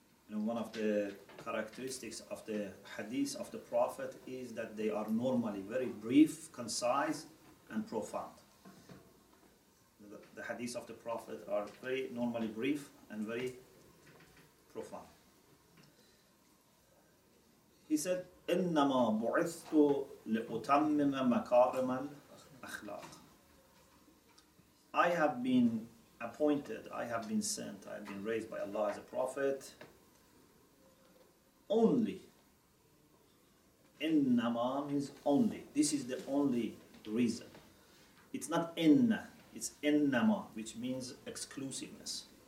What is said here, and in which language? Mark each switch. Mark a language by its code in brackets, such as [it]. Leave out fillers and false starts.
[en] You know, one of the characteristics of the hadith of the Prophet is that they are normally very brief, concise, and profound. The hadith of the Prophet are very normally brief and very profound. He said, [ar] إنما بعثت لأتمم مكارم الأخلاق. [en] I have been appointed, I have been sent, I have been raised by Allah as a prophet only. إنما means only. This is the only reason. It's not إن, it's إنما, which means exclusiveness.